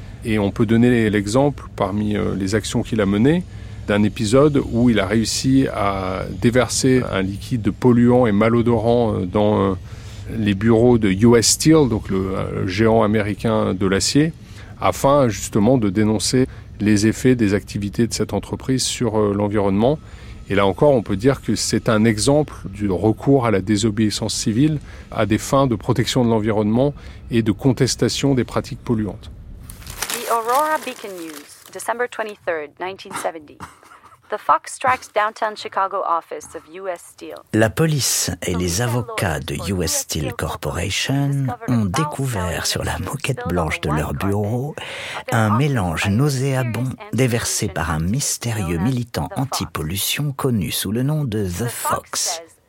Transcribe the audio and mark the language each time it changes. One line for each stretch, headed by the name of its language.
French: Et on peut donner l'exemple, parmi les actions qu'il a menées, d'un épisode où il a réussi à déverser un liquide polluant et malodorant dans les bureaux de US Steel, donc le géant américain de l'acier, afin justement de dénoncer les effets des activités de cette entreprise sur l'environnement. Et là encore, on peut dire que c'est un exemple du recours à la désobéissance civile à des fins de protection de l'environnement et de contestation des pratiques polluantes.
English: The Aurora Beacon News, December 23, 1970. The Fox strikes downtown Chicago office of US Steel.
French: La police et les avocats de US Steel Corporation ont découvert sur la moquette blanche de leur bureau un mélange nauséabond déversé par un mystérieux militant anti-pollution connu sous le nom de The Fox.